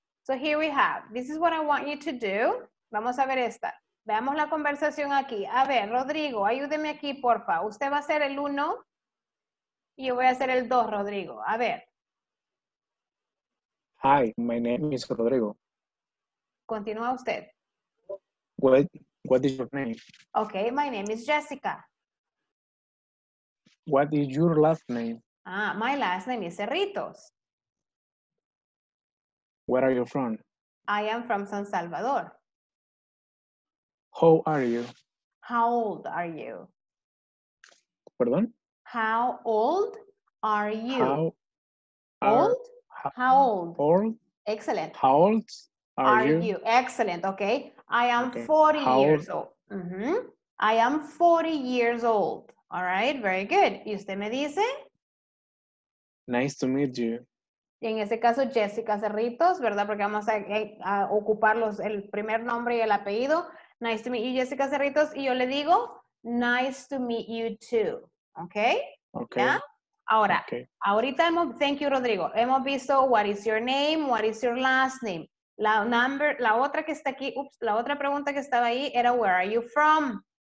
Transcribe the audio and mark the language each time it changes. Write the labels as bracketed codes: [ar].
[en] So here we have, this is what I want you to do. [es] Vamos a ver esta. Veamos la conversación aquí. A ver, Rodrigo, ayúdeme aquí, porfa. Usted va a ser el uno y yo voy a ser el dos, Rodrigo. A ver. [en] Hi, my name is Rodrigo. [es] Continúa usted. [en] Well, What is your name? Okay, my name is Jessica. What is your last name? Ah, my last name is Cerritos. Where are you from? I am from San Salvador. How are you? How old are you? [es] Perdón? [en] How old are you? How old? Excellent. How old are you? Excellent, okay. I am 40 years old. All right, very good. [es] ¿Y usted me dice? [en] Nice to meet you. [es] Y en ese caso, Jessica Cerritos, ¿verdad? Porque vamos a ocupar el primer nombre y el apellido. [en] Nice to meet you, Jessica Cerritos. [es] Y yo le digo, [en] nice to meet you too. Okay? Okay. Yeah? [es] Ahora, okay. Ahorita hemos, [en] thank you, [es] Rodrigo. Hemos visto, [en] what is your name? What is your last name? [es] La otra que está aquí, oops, la otra pregunta que estaba ahí era, [en] where are you from?